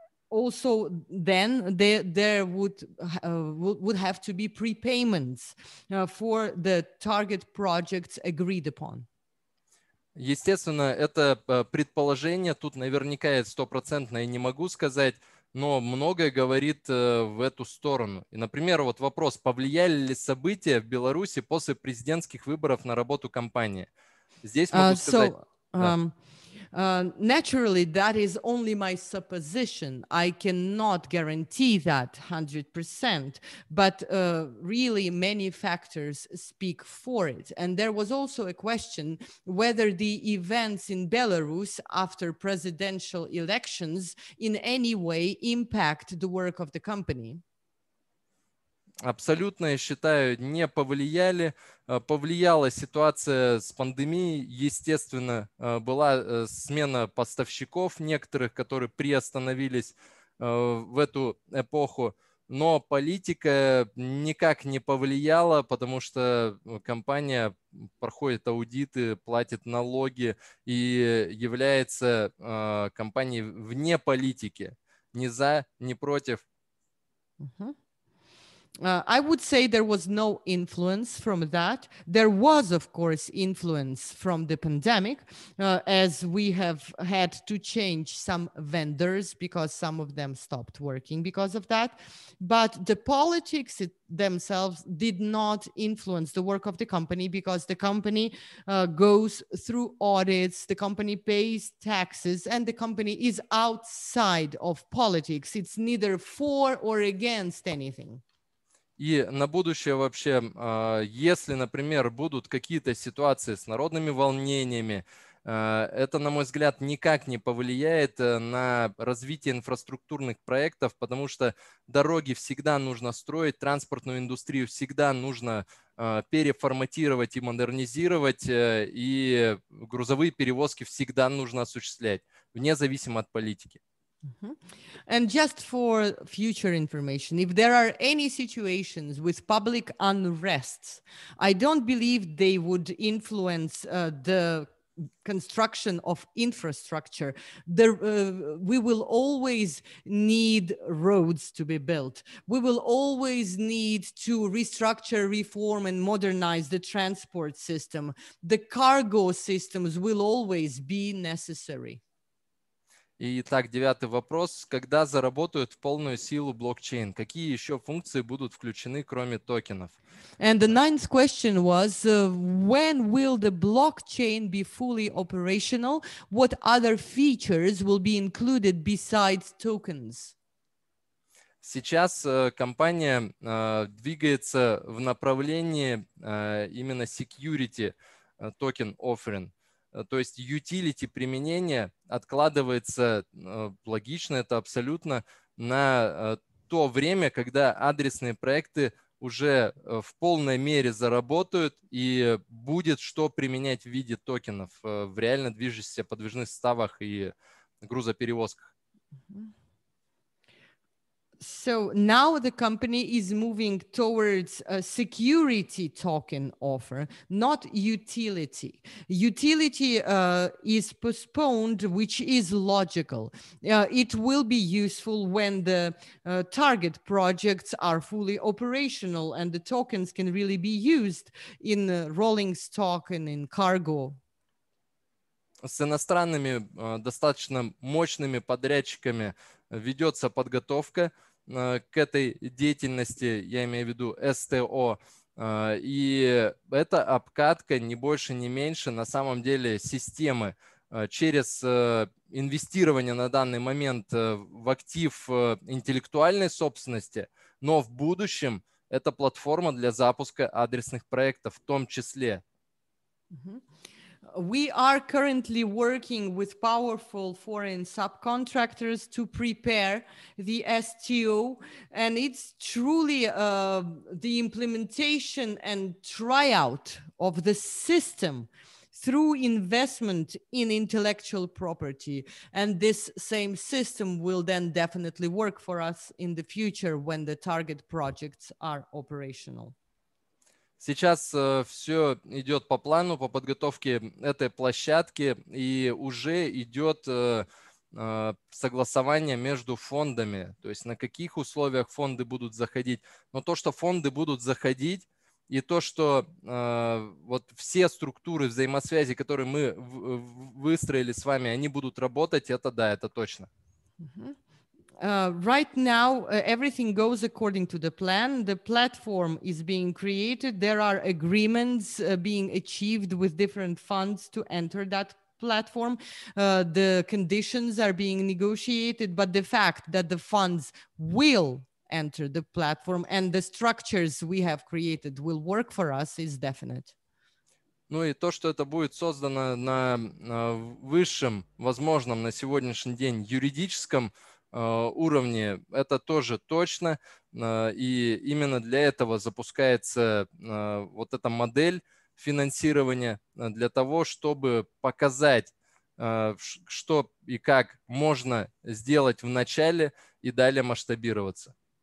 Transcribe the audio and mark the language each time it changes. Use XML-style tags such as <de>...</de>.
<en>Also then there would have to be prepayments for the target projects agreed upon.</en> <ru>Естественно, это предположение. Тут наверняка я стопроцентно не могу сказать. Но многое говорит в эту сторону. И, например, вот вопрос, повлияли ли события в Беларуси после президентских выборов на работу компании? Здесь могу сказать...</ru> <en>Naturally, that is only my supposition. I cannot guarantee that 100%, but really many factors speak for it. And there was also a question whether the events in Belarus after presidential elections in any way impact the work of the company.</en> <ru>Абсолютно, я считаю, не повлияли. Повлияла ситуация с пандемией, естественно, была смена поставщиков некоторых, которые приостановились в эту эпоху, но политика никак не повлияла, потому что компания проходит аудиты, платит налоги и является компанией вне политики, ни за, ни против.</ru> <en>I would say there was no influence from that. There was, of course, influence from the pandemic, as we have had to change some vendors because some of them stopped working because of that. But the politics themselves did not influence the work of the company because the company goes through audits, the company pays taxes, and the company is outside of politics. It's neither for or against anything.</en> <ru>И на будущее вообще, если, например, будут какие-то ситуации с народными волнениями, Это, на мой взгляд, никак не повлияет на развитие инфраструктурных проектов, потому что дороги всегда нужно строить, транспортную индустрию всегда нужно переформатировать и модернизировать, и грузовые перевозки всегда нужно осуществлять, вне зависимости от политики.</ru> <en>And just for future information, if there are any situations with public unrest, I don't believe they would influence the construction of infrastructure. There, we will always need roads to be built. We will always need to restructure, reform, and modernize the transport system. The cargo systems will always be necessary.</en> <ru>Итак, девятый вопрос. Когда заработают в полную силу блокчейн? Какие еще функции будут включены, кроме токенов?</ru> <en>And the ninth question was, when will the blockchain be fully operational? What other features will be included besides tokens?</en> <ru>Сейчас компания двигается в направлении именно</ru> <en>security token offering.</en> <ru>То есть utility применения откладывается, логично это абсолютно, на то время, когда адресные проекты уже в полной мере заработают и будет что применять в виде токенов в реально движущихся подвижных составах и грузоперевозках.</ru> <en>So now the company is moving towards a security token offer, not utility. Utility is postponed, which is logical. It will be useful when the target projects are fully operational and the tokens can really be used in rolling stock and in cargo.</en> <ru>С иностранными достаточно мощными подрядчиками ведется подготовка к этой деятельности, я имею в виду СТО, и это обкатка не больше, не меньше, на самом деле, системы через инвестирование на данный момент в актив интеллектуальной собственности, но в будущем это платформа для запуска адресных проектов в том числе.</ru> <en>We are currently working with powerful foreign subcontractors to prepare the STO, and it's truly the implementation and tryout of the system through investment in intellectual property. And this same system will then definitely work for us in the future when the target projects are operational.</en> <ru>Сейчас все идет по плану, по подготовке этой площадки, и уже идет согласование между фондами, то есть на каких условиях фонды будут заходить. Но то, что фонды будут заходить, и то, что вот все структуры взаимосвязи, которые мы выстроили с вами, они будут работать, это да, это точно.</ru> <en>Right now, everything goes according to the plan. The platform is being created. There are agreements being achieved with different funds to enter that platform. The conditions are being negotiated, but the fact that the funds will enter the platform and the structures we have created will work for us is definite.</en> <ru>Ну и то, что это будет создано на высшем, возможном на сегодняшний день юридическом уровне, это тоже точно, и именно для этого запускается вот эта модель финансирования, для того, чтобы показать, что и как можно сделать в начале и далее масштабироваться.</ru>